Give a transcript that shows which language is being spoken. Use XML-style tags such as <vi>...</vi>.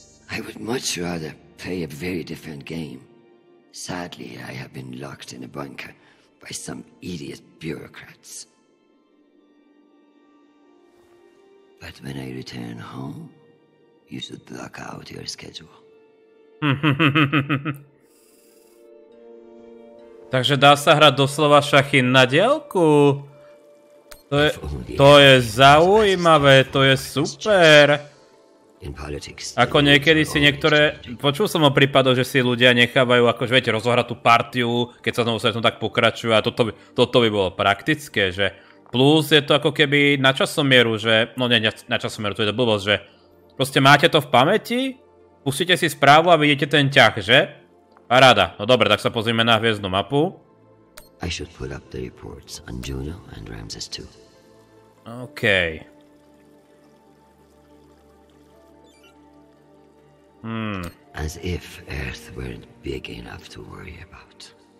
<en>I would much rather play a very different game. Sadly, I have been locked in a bunker by some idiot bureaucrats. But when I return home, you should block out your schedule.</en> <sk>Takže dá sa hrať doslova šachy na diaľku. To je zaujímavé, to je super. Ako niekedy si niektoré... Počul som o prípadoch, že si ľudia nechávajú, akože viete, rozohrať tú partiu, keď sa znovu sa tak pokračujú a toto by bolo praktické, že... Plus je to ako keby na časomieru, že... No nie, na časomieru, to je to blbosť, že... Proste máte to v pamäti, pustíte si správu a vidíte ten ťah, že... Paráda. No dobre, tak sa pozrime na hviezdnu mapu.</sk> <en>I should put up the reports on Juno and Ramses too. OK. As if Earth weren't big enough to worry about.</en>